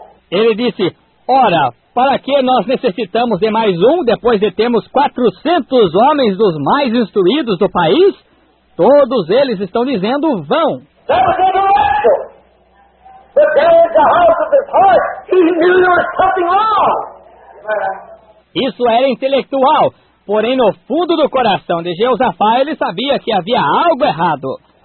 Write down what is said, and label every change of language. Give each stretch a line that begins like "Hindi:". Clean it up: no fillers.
Portuguese: Ele disse, ora, para que nós necessitamos de mais um, depois de termos 400 homens dos mais instruídos do país? Todos eles estão dizendo vão.
English: That was intellectual. But there is a house of his heart. He knew there was something wrong.
Portuguese: Isso era intelectual, porém no fundo do coração de Jeosafá ele sabia que havia algo errado.